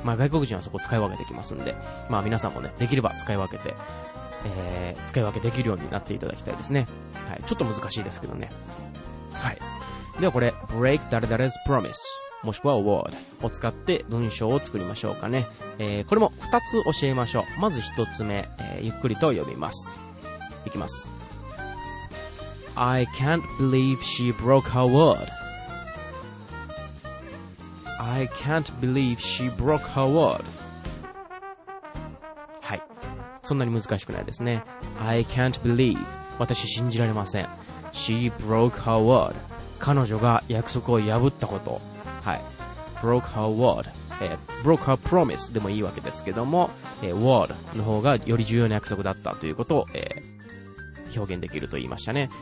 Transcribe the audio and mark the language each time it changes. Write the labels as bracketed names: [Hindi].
[Japanese] まあ、外国人はそこ使い分けてきますんで、まあ、皆さんもね、できれば使い分けて、使い分けできるようになっていただきたいですね。はい。ちょっと難しいですけどね。はい。ではこれ、 [English] break 誰々's promise、 [Japanese] もしくは word を使って文章を作りましょうかね。これも2つ教えましょう。まず1つ目、ゆっくりと読みます。いきます。 [English] I can't believe she broke her word. I can't believe she broke her word. [Japanese] はい。そんなに難しくないですね。 [English] I can't believe. [Japanese] 私信じられません。 [English] She broke her word. [Japanese] 彼女が約束を破ったこと。 [English] はい。broke her word. broke her promise [Japanese] でもいいわけですけども、word の方がより重要な約束だったということを、表現できると言いましたね。